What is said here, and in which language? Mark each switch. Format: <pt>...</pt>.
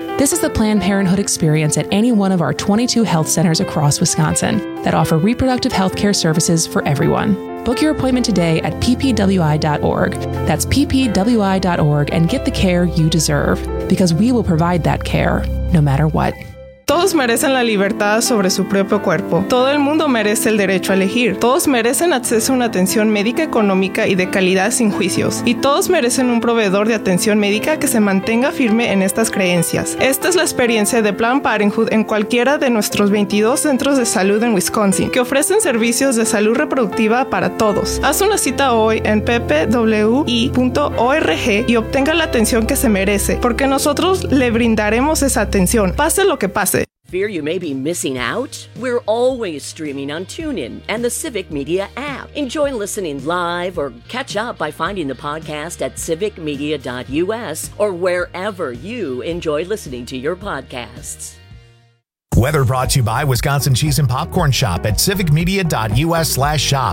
<en>This is the Planned Parenthood experience at any one of our 22 health centers across Wisconsin that offer reproductive health care services for everyone. Book your appointment today at ppwi.org. That's ppwi.org, and get the care you deserve, because we will provide that care no matter what.</en> <es>Todos merecen la libertad sobre su propio cuerpo. Todo el mundo merece el derecho a elegir. Todos merecen acceso a una atención médica económica y de calidad sin juicios. Y todos merecen un proveedor de atención médica que se mantenga firme en estas creencias. Esta es la experiencia de Planned Parenthood en cualquiera de nuestros 22 centros de salud en Wisconsin, que ofrecen servicios de salud reproductiva para todos. Haz una cita hoy en ppwi.org y obtenga la atención que se merece, porque nosotros le brindaremos esa atención, pase lo que pase.</es> <en>Fear you may be missing out? We're always streaming on TuneIn and the Civic Media app. Enjoy listening live or catch up by finding the podcast at civicmedia.us or wherever you enjoy listening to your podcasts. Weather brought to you by Wisconsin Cheese and Popcorn Shop at civicmedia.us/shop.</en>